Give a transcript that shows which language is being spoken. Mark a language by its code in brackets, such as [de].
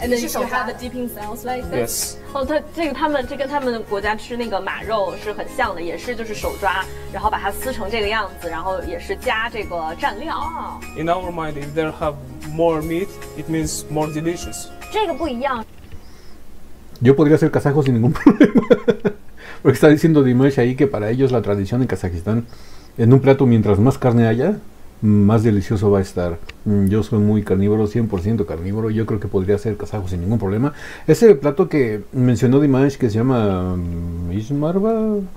[en] And then you have the dipping sauce like this? Yes. [zh] 哦，他这个他们这跟他们国家吃那个马肉是很像的，也是就是手抓，然后把它撕成这个样子，然后也是加这个蘸料。In [en] our mind, if they have more meat, it means more delicious. [zh] 这个不一样。 [es] Yo podría ser kazajo sin ningún problema. Porque está diciendo Dimash ahí que para ellos la tradición en Kazajistán, en un plato, mientras más carne haya, más delicioso va a estar. Yo soy muy carnívoro, 100% carnívoro. Yo creo que podría ser kazajo sin ningún problema. Ese plato que mencionó Dimash, que se llama Ismarva.